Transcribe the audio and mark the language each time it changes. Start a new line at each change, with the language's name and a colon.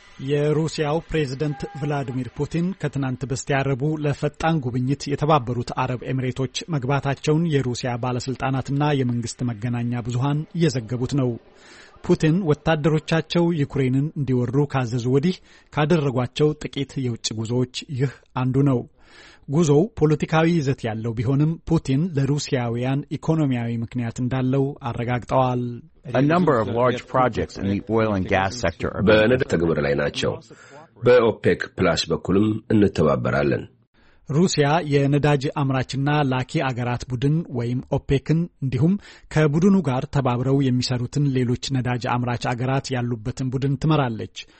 Amharic: የሩሲያው ፕሬዝደንት ቭላዲሚር ፑቲን ከትናንት በስቲያ ረቡዕ ለፈጣን ጉብኝት የተባበሩት አረብ ኤምሬቶች መግባታቸውን የሩሲያ ባለስልጣናትና የመንግስት መገናኛ ብዙሃን እየዘገቡት ነው። ፑቲን ወታደሮቻቸው ዩክሬንን እንዲወሩ ካዘዙ ወዲህ ካደረጓቸው ጥቂት የውጭ ጉዞዎች ይህ አንዱ ነው። ጉዞው ፖለቲካዊ ይዘት ያለው ቢሆንም ፑቲን ለሩሲያውያን ኢኮኖሚያዊ ምክንያት እንዳለው አረጋግጠዋል።
English: A number of large projects in the oil and gas sector are
Amharic: በነደ ተግብር ላይ ናቸው። በኦፔክ ፕላስ በኩልም እንተባበራለን። ሩሲያ የነዳጅ አምራችና ላኪ አገራት ቡድን ወይም ኦፔክን እንዲሁም ከቡድኑ ጋር ተባብረው የሚሰሩትን ሌሎች ነዳጅ አምራች አገራት ያሉበትን ቡድን ትመራለች።